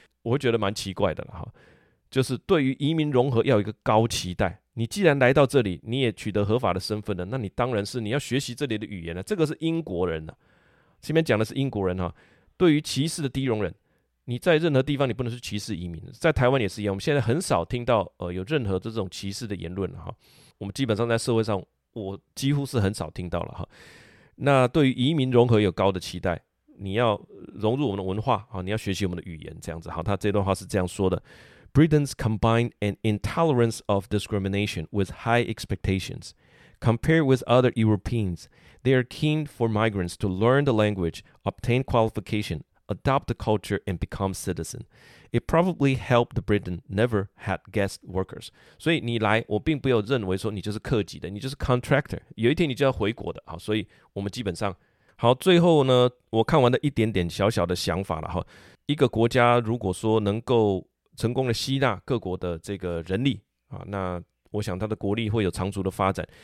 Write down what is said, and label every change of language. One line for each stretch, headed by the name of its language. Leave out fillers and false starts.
Chinese: 我会觉得蛮奇怪的、啊、就是对于移民融合要有一个高期待，你既然来到这里你也取得合法的身份了，那你当然是你要学习这里的语言了。这个是英国人、啊、前面讲的是英国人、啊、对于歧视的低容忍，你在任何地方你不能是歧视移民，在台湾也是一样，我们现在很少听到、有任何这种歧视的言论、啊、我们基本上在社会上我几乎是很少听到了、啊、那对于移民融合有高的期待，你要融入我们的文化、啊、你要学习我们的语言这样子。好，他这段话是这样说的，
English: Britons combine an intolerance of discrimination with high expectations. Compared with other Europeans, they are keen for migrants to learn the language, obtain qualification,adopt the culture and become citizen. It probably helped the Britain never had guest workers.
Chinese: 所以你来，我并不有认为说你就是客籍的，你就是 contractor， 有一天你就要回国的。好，所以我们基本上好，最后呢，我看完了一点点小小的想法了。一个国家如果说能够成功的吸纳各国的这个人力，那我想它的国力会有长足的发展。